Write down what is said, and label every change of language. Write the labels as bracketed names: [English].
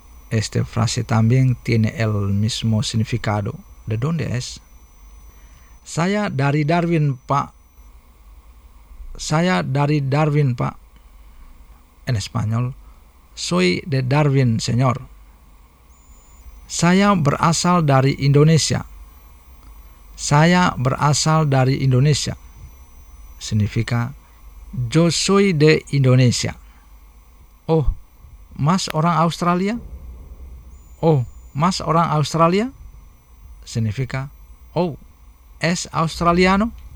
[Spanish] Esta frase también tiene el mismo significado. De dónde es? [Indonesian] Saya dari Darwin, Pak. Saya dari Darwin, Pak. [Spanish] En español, soy de Darwin, señor. [Indonesian] Saya berasal dari Indonesia. Saya berasal dari Indonesia. [Spanish] Significa, yo soy de Indonesia. [Indonesian] Oh, Mas orang Australia? Oh, Mas orang Australia? [Spanish] Significa, oh, es australiano.